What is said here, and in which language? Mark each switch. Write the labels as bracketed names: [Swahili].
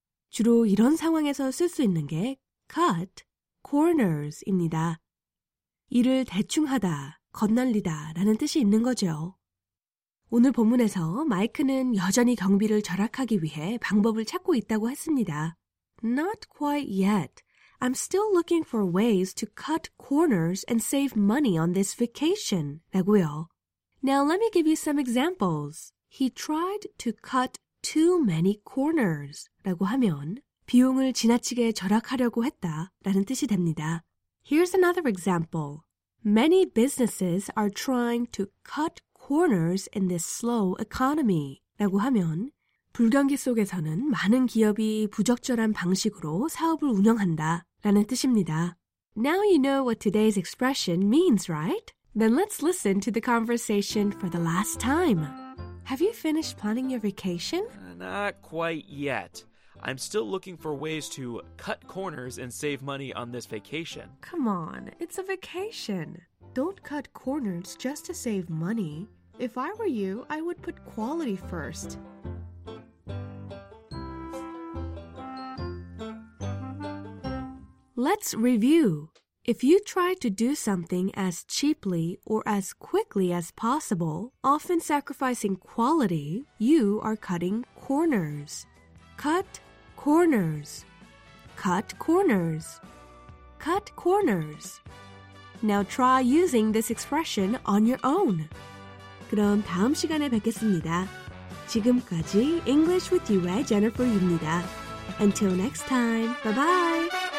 [Korean] 주로 이런 상황에서 쓸 수 있는 게 cut corners입니다. 일을 대충하다, 겉날리다 라는 뜻이 있는 거죠. 오늘 본문에서 마이크는 여전히 경비를 절약하기 위해 방법을 찾고 있다고 했습니다. [English] Not quite yet. I'm still looking for ways to cut corners and save money on this vacation. [Korean] 라고요. [English] Now let me give you some examples. He tried to cut too many corners. [Korean] 라고 하면 비용을 지나치게 절약하려고 했다 라는 뜻이 됩니다. [English] Here's another example. Many businesses are trying to cut corners in this slow economy. [Korean] 라고 하면 불경기 속에서는 많은 기업이 부적절한 방식으로 사업을 운영한다 라는 뜻입니다. [English] Now you know what today's expression means, right? Then let's listen to the conversation for the last time. Have you finished planning your vacation? Not quite yet. I'm still looking for ways to cut corners and save money on this vacation. Come on, it's a vacation. Don't cut corners just to save money. If I were you, I would put quality first. Let's review. If you try to do something as cheaply or as quickly as possible, often sacrificing quality, you are cutting corners. Cut corners. Cut corners. Cut corners. Now try using this expression on your own. [Korean] 그럼 다음 시간에 뵙겠습니다. 지금까지 English with you의 Jennifer입니다. [English] Until next time, bye-bye!